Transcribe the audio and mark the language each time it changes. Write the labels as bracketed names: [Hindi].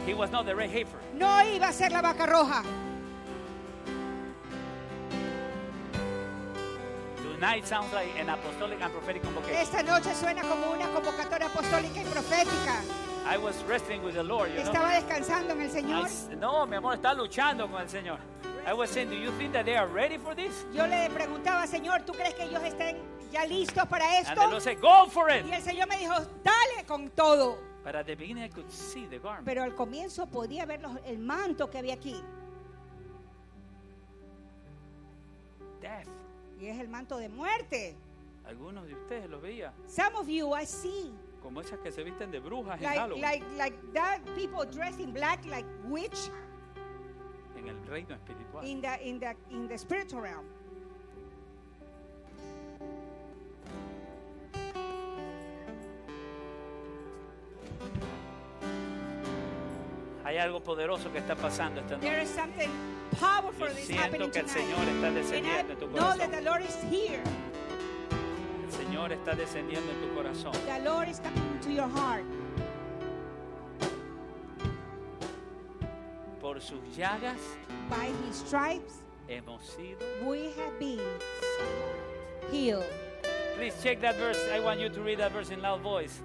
[English] He was not the red heifer. [Spanish] No iba a ser la vaca roja. [English] Tonight sounds like an apostolic and prophetic convocation. [Spanish] Esta noche suena como una convocatoria apostólica y profética. [English] I was wrestling with the Lord, you [Spanish] estaba [English] know? [Spanish] Descansando en el Señor. No, mi amor, estaba luchando con el Señor. [English] I was saying, do you think that they are ready for this? [Spanish] Yo le preguntaba, Señor, ¿tú crees que ellos estén ya listos para esto? [English] And the Lord said, go for it. [Spanish] Y el Señor me dijo, dale con todo. [English] But at the beginning I could see the garment. [Spanish] Pero al comienzo podía ver el manto que había aquí. [English] Death. [Spanish] Y es el manto de muerte. Algunos de ustedes lo veía. [English] Some of you I see. [Spanish] Como esas que se visten de brujas [English] like, [Spanish] en Halloween. [English] Like that people dressed in black like witch. [Spanish] En el reino espiritual. [English] In the spiritual realm. [Spanish] Hay algo poderoso que está pasando esta noche. [English] There is something powerful that is happening tonight. [Spanish] Yo siento que el Señor está descendiendo en tu corazón. [English] Know that the Lord is here. [Spanish] El Señor está descendiendo en tu corazón. [English] The Lord is coming to your heart. [Spanish] Por sus llagas. [English] By his stripes. [Spanish] Hemos sido. [English] We have been healed. Please check that verse. I want you to read that verse in loud voice.